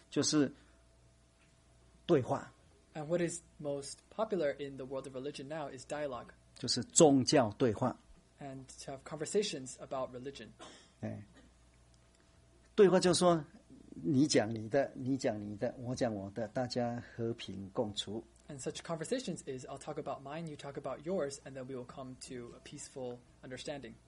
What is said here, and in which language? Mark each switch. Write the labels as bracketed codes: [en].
[zh] 所以现在宗教界一个说辞就是很流行的就是对话。 [en] And what is most popular in the world of religion now is dialogue. [zh] 就是宗教对话。 [en] And to have conversations about religion. [zh] 对话就是说你讲你的，你讲你的，我讲我的，大家和平共处。 [en] And such conversations is, I'll talk about mine, you talk about yours, and then we will come to a peaceful understanding.